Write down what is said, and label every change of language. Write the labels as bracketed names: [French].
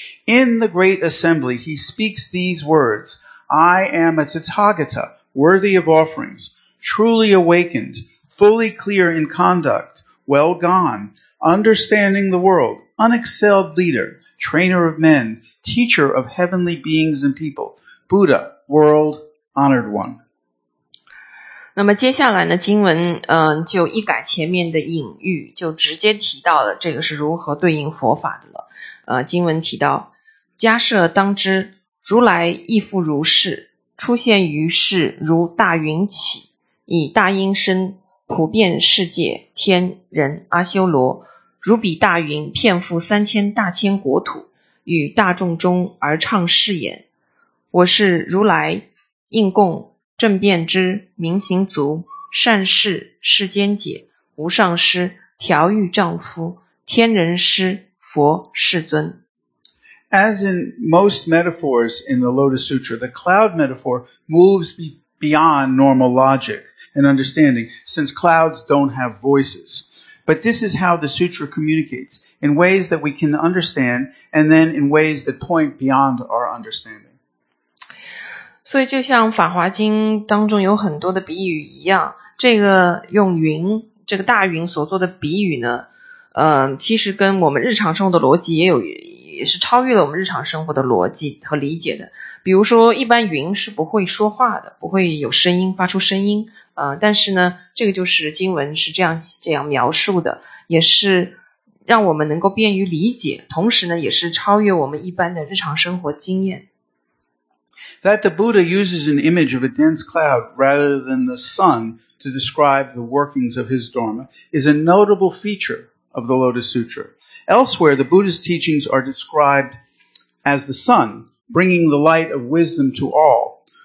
[English] In the great assembly, he speaks these words, I am a Tathagata, worthy of offerings, truly awakened, fully clear in conduct, well gone, understanding the world, unexcelled leader, trainer of men, teacher of heavenly beings and people, Buddha, world honored one. [Chinese] 那么接下来呢，经文就一改前面的隐喻，就直接提到了这个是如何对应佛法的了。经文提到，迦舍当知，如来亦复如是，出现于世如大云起，以大音声普遍世界天人阿修罗如彼大云遍覆三千大千国土与大众中而唱誓言我是如来应供正遍知明行足善事世间解无上师调御丈夫天人师佛世尊。 [English] As in most metaphors in the Lotus Sutra, the cloud metaphor moves beyond normal logic and understanding, since clouds don't have voices. But this is how the sutra communicates, in ways that we can understand, and then in ways that point beyond our understanding. [Chinese] 所以就像法华经当中有很多的比喻一样，这个用云，这个大云所做的比喻呢，其实跟我们日常生活的逻辑也有也是超越了我们日常生活的逻辑和理解的。比如说一般云是不会说话的，不会有声音发出声音，但是呢这个就是经文是这样描述的，也是让我们能够便于理解，同时呢也是超越我们一般的日常生活经验。 [English] That the Buddha uses an image of a dense cloud rather than the sun to describe the workings of his Dharma is a notable feature of the Lotus Sutra. Elsewhere, the Buddha's teachings are described as the sun, bringing the light of wisdom to all.